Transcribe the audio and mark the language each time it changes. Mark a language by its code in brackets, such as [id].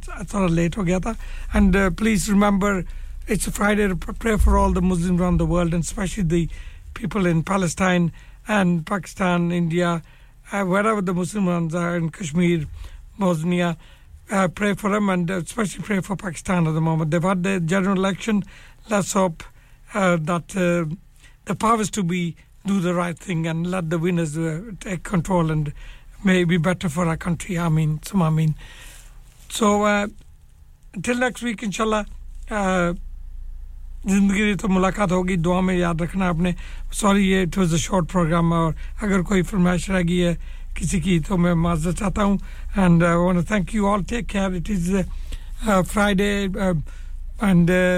[ur] تھوڑا لیٹ ہو گیا تھا [en] And please remember it's Friday pray for all the Muslim around the world and especially the people in Palestine and Pakistan India wherever the Muslim around in Kashmir Bosnia pray for them and especially pray for Pakistan at the moment. They've had the general election. Let's hope that the powers to be do the right thing and let the winners take control and may be better for our country. Ameen. Some ameen. So until next week, [ur] inshallah, زندگی تو ملاقات ہوگی دعا میں یاد رکھنا آپ نے سوری یہ [en] it was a short programme [ur] اور اگر کوئی فرمائش رہ گئی ہے کسی کی تو میں معذرت چاہتا ہوں [en] and I want to thank you all take care it is Friday and